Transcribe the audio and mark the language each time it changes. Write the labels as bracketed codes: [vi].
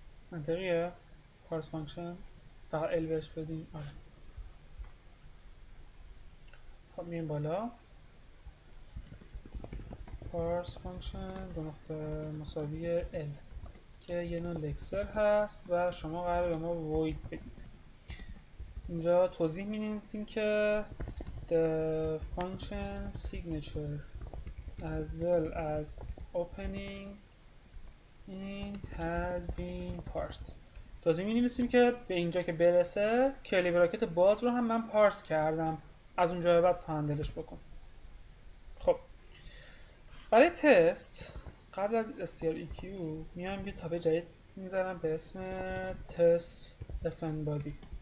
[fa] منطقیه پارس فانکشن فقط ال بهش بدیم. آره خب میایم بالا parse function دو نقطه مساوی l که یه نوع لکسر هست و شما قراره به ما void بدید. اینجا توضیح می نویسیم که [en] the function signature as well as opening int has been parsed. [fa] توضیح می نویسیم که به اینجا که برسه کلی براکت باز رو هم من پارس کردم، از اونجا به بعد تندلش بکن. خب برای تست قبل از STREQ میام یه تابع جدید میذارم به اسم تست fn body.